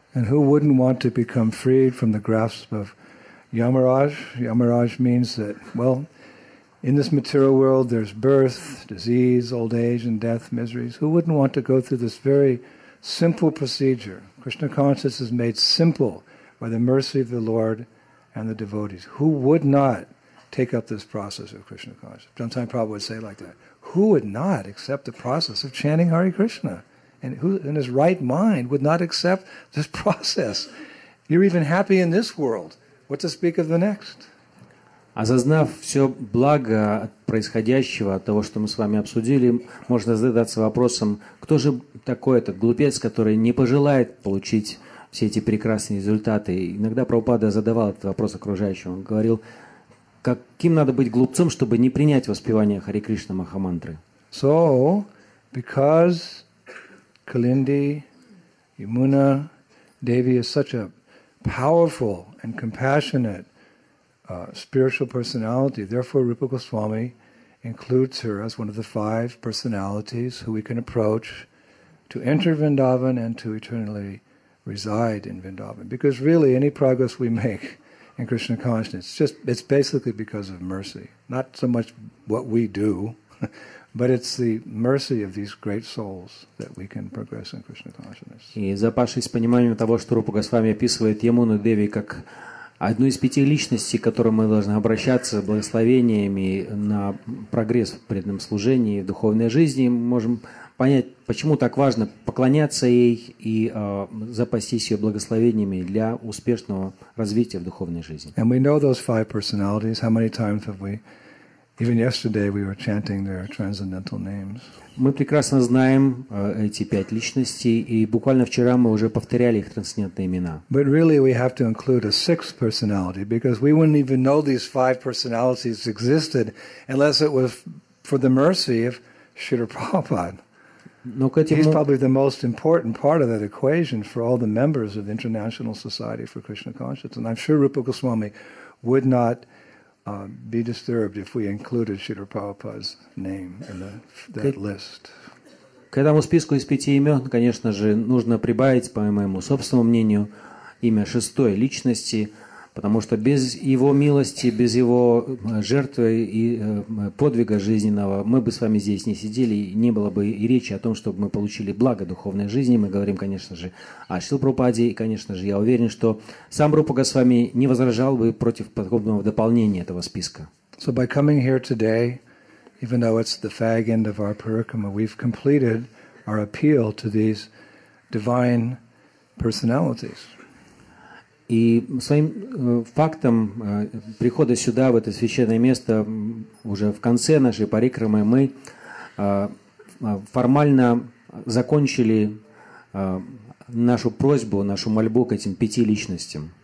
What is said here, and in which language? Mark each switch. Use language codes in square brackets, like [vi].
[en] And who wouldn't want to become freed from the grasp of Yamaraj? Yamaraj means that, well, in this material world there's birth, disease, old age and death, miseries. Who wouldn't want to go through this very simple procedure? Krishna consciousness is made simple by the mercy of the Lord and the devotees. Who would not take up this process of Krishna consciousness? Sometimes Prabhupada would say like that. Who would not accept the process of chanting Hare Krishna? And who in his right mind would not accept this process? You're even happy in this world. What to speak of the next? [ru] Осознав все благо происходящего, от того, что мы с вами обсудили, можно задаться вопросом, кто же такой этот глупец, который не пожелает получить все эти прекрасные результаты? Иногда Прабхупада задавал этот вопрос окружающим. Он говорил, каким надо быть глупцом, чтобы не принять воспевание Хари Кришна Махамантры? [en] So, because Kalindi, Yamuna, Devi is such a powerful and compassionate spiritual personality, therefore Rupa Goswami includes her as one of the five personalities who we can approach to enter Vrindavan and to eternally reside in Vrindavan. Because really, any progress we make in Krishna consciousness, it's basically because of mercy. Not so much what we do, but it's the mercy of these great souls that we can progress in Krishna consciousness. [ru] И запавшись пониманием того, что Рупа Госвами описывает Ямуну Деви как одну из пяти личностей, к которым мы должны обращаться благословениями на прогресс в преданном служении, в духовной жизни, мы можем понять, почему так важно поклоняться ей и запастись ее благословениями для успешного развития в духовной жизни. [en] And we know those five personalities. How many times have we, even yesterday, we were chanting their transcendental names? [ru] Мы прекрасно знаем эти пять личностей, и буквально вчера мы уже повторяли их трансцендентные имена. [en] But really, we have to include a sixth personality because we wouldn't even know these five personalities existed unless it was for the mercy of Śrīla Prabhupāda. He's probably the most important part of that equation for all the members of the International Society for Krishna Consciousness. And I'm sure Rupa Goswami would not be disturbed if we included Śrīla Prabhupāda's name in that list. [ru] К этому списку из пяти имен, конечно же, нужно прибавить, по моему собственному мнению, имя шестой личности, потому что без его милости, без его жертвы и подвига жизненного мы бы с вами здесь не сидели, и не было бы и речи о том, чтобы мы получили благо духовной жизни. Мы говорим, конечно же, о Шриле Прабхупаде, и, конечно же, я уверен, что сам Рупа Госвами не возражал бы против подобного дополнения этого списка. [en] So by coming here today, even though it's the fag end of our parikrama, we've completed our appeal to these divine personalities. [ru] И своим фактом прихода сюда, в это священное место, уже в конце нашей парикрамы, мы формально закончили нашу просьбу, нашу мольбу к этим пяти личностям.